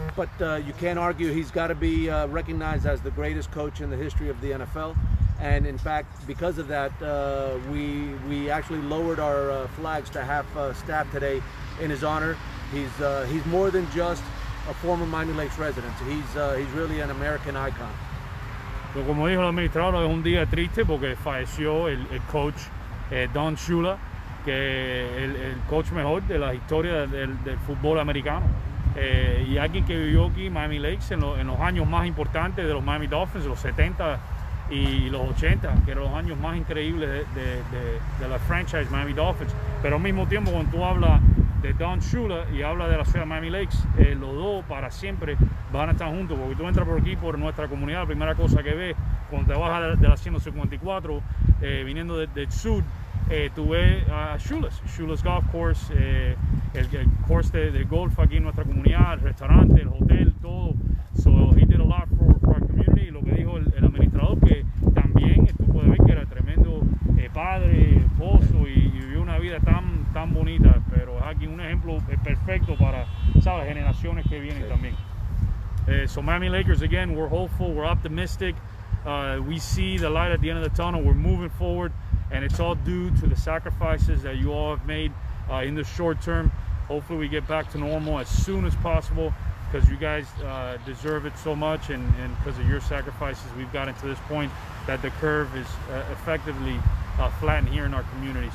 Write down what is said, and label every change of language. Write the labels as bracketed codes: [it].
[en] But you can't argue he's got to be recognized as the greatest coach in the history of the NFL. And in fact, because of that, we actually lowered our flags to half staff today in his honor. He's more than just a former Miami Lakes resident. He's really an American icon. [es] So, como dijo el administrador, es un día triste porque falleció el coach Don Shula, que el coach mejor de la historia del fútbol americano, y alguien que vivió aquí Miami Lakes en los años más importantes de los Miami Dolphins, los 70 y los 80, que eran los años más increíbles de la franchise Miami Dolphins. Pero al mismo tiempo, cuando tú hablas de Don Shula y habla de la ciudad de Miami Lakes, los dos para siempre van a estar juntos, porque tú entras por aquí, por nuestra comunidad, la primera cosa que ves cuando te bajas de la 154 viniendo del sur, tú ves Shula's Golf Course, el course de golf aquí en nuestra comunidad, el restaurante, el hotel, todo. [en] So he did a lot for our community, [es] y lo que dijo el administrador, que también tú puedes ver que era tremendo padre, esposo, y vivió una vida tan bonita, pero es aquí un ejemplo perfecto para, sabes, generaciones que vienen, sí, también. [en] So Miami Lakers, again, we're hopeful, we're optimistic. We see the light at the end of the tunnel, we're moving forward, and it's all due to the sacrifices that you all have made in the short term. Hopefully we get back to normal as soon as possible, because you guys deserve it so much, and because of your sacrifices, we've gotten to this point that the curve is effectively flattened here in our community.